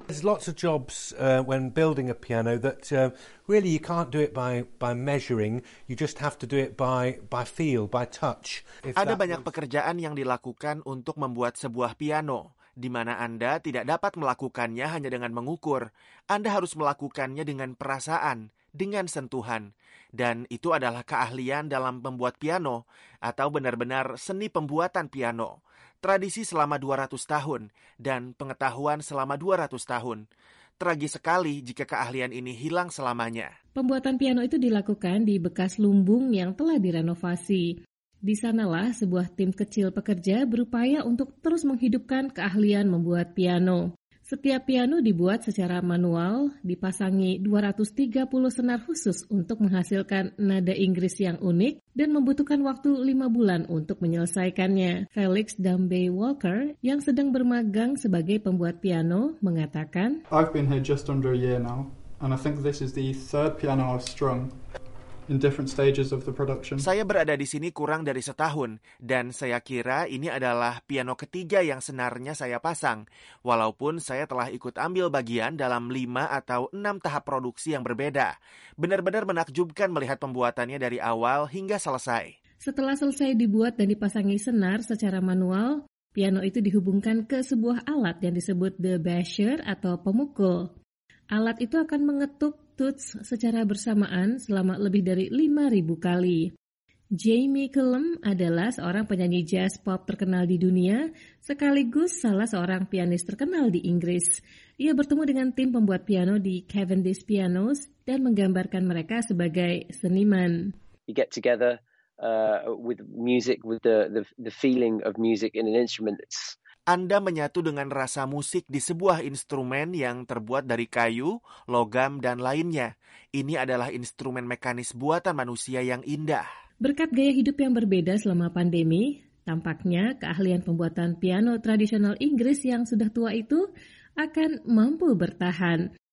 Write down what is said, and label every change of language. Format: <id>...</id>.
<en>There's lots of jobs when building a piano that really you can't do it by measuring, you just have to do it by feel, by touch.</en> <id>Ada banyak pekerjaan yang dilakukan untuk membuat sebuah piano, di mana Anda tidak dapat melakukannya hanya dengan mengukur. Anda harus melakukannya dengan perasaan, dengan sentuhan. Dan itu adalah keahlian dalam membuat piano, atau benar-benar seni pembuatan piano. Tradisi selama 200 tahun, dan pengetahuan selama 200 tahun. Tragis sekali jika keahlian ini hilang selamanya. Pembuatan piano itu dilakukan di bekas lumbung yang telah direnovasi. Di sanalah sebuah tim kecil pekerja berupaya untuk terus menghidupkan keahlian membuat piano. Setiap piano dibuat secara manual, dipasangi 230 senar khusus untuk menghasilkan nada Inggris yang unik dan membutuhkan waktu 5 bulan untuk menyelesaikannya. Felix Dambay Walker, yang sedang bermagang sebagai pembuat piano, mengatakan,</id> <en>I've been here just under a year now, and I think this is the third piano I've strung in different stages of the production.</en> <id>Saya berada di sini kurang dari setahun, dan saya kira ini adalah piano ketiga yang senarnya saya pasang, walaupun saya telah ikut ambil bagian dalam 5 atau 6 tahap produksi yang berbeda. Benar-benar menakjubkan melihat pembuatannya dari awal hingga selesai. Setelah selesai dibuat dan dipasangi senar secara manual, piano itu dihubungkan ke sebuah alat yang disebut the basher atau pemukul. Alat itu akan mengetuk tuts secara bersamaan selama lebih dari 5.000 kali. Jamie Cullum adalah seorang penyanyi jazz pop terkenal di dunia, sekaligus salah seorang pianis terkenal di Inggris. Ia bertemu dengan tim pembuat piano di Cavendish Pianos dan menggambarkan mereka sebagai seniman.</id> <en>You get together with music, with the feeling of music in an instrument that's...</en> <id>Anda menyatu dengan rasa musik di sebuah instrumen yang terbuat dari kayu, logam, dan lainnya. Ini adalah instrumen mekanis buatan manusia yang indah. Berkat gaya hidup yang berbeda selama pandemi, Tampaknya keahlian pembuatan piano tradisional Inggris yang sudah tua itu akan mampu bertahan.</id>